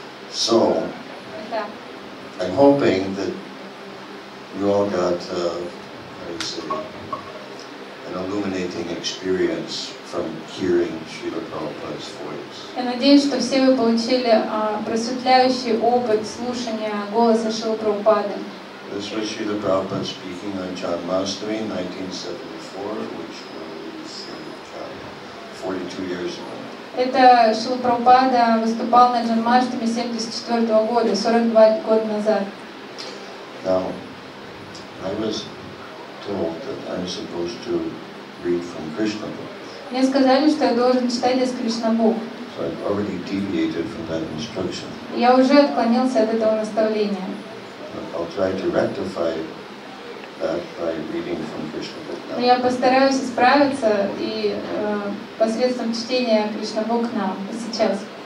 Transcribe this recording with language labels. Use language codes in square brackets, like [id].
[en] So, I'm hoping that you all got an illuminating experience from hearing Srila Prabhupada's voice. [ru] Я надеюсь, что все вы получили просветляющий опыт слушания голоса Шрилы Прабхупады. [en] This was Srila Prabhupada speaking on Janmashtami 1974, which was 42 years ago. [ru] Это Шрила Прабхупада выступал на Джанмаштами 74 года, 42 года назад. [en] Now, I was told that I'm supposed to read from Krishna book. [ru] Мне сказали, что я должен читать из Кришнабук. [en] So I've already deviated from that instruction. [ru] Я уже отклонился от этого наставления. [en] I'll try to rectify that by reading from Krishna book now. [ru] Я постараюсь исправиться и посредством чтения Кришнабук нам сейчас.